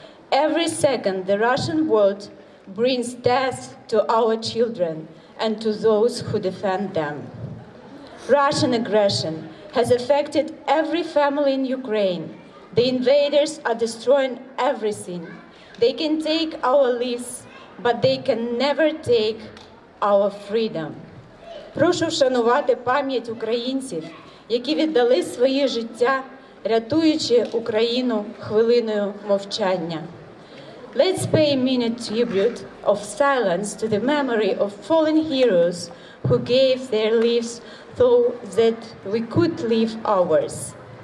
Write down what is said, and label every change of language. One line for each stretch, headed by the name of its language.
English: Every second, the Russian world brings death to our children and to those who defend them. Russian aggression has affected every family in Ukraine. The invaders are destroying everything. They can take our lives, but they can never take our freedom.
Ukrainian: Прошу вшанувати пам'ять українців, які віддали своє життя, рятуючи Україну хвилиною мовчання.
English: Let's pay a minute tribute of silence to the memory of fallen heroes who gave their lives so that we could live ours.